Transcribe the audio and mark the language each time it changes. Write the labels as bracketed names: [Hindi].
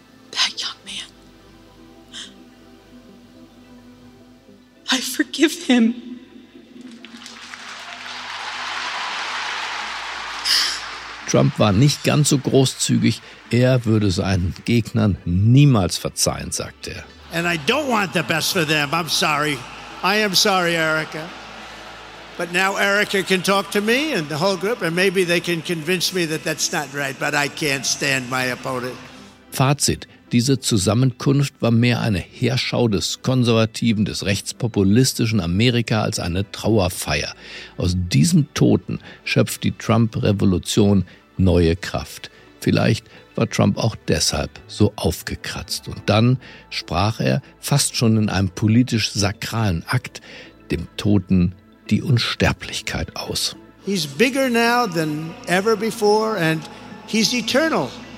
[English] That young man, I forgive him. [German] Trump war nicht ganz so großzügig. Er würde seinen Gegnern niemals verzeihen, sagte er. [English] And I don't want the best for them. I'm sorry. I am sorry, Erica. But now Erica can talk to me and the whole group, and maybe they can convince me that that's not right, but I can't stand my opponent. [German] Fazit: Diese Zusammenkunft war mehr eine Heerschau des konservativen, des rechtspopulistischen Amerika als eine Trauerfeier. Aus diesem Toten schöpft die Trump-Revolution neue Kraft. Vielleicht war Trump auch deshalb so aufgekratzt. Und dann sprach er, fast schon in einem politisch sakralen Akt, dem Toten die Unsterblichkeit aus. [English] He's bigger now than ever before and he's eternal.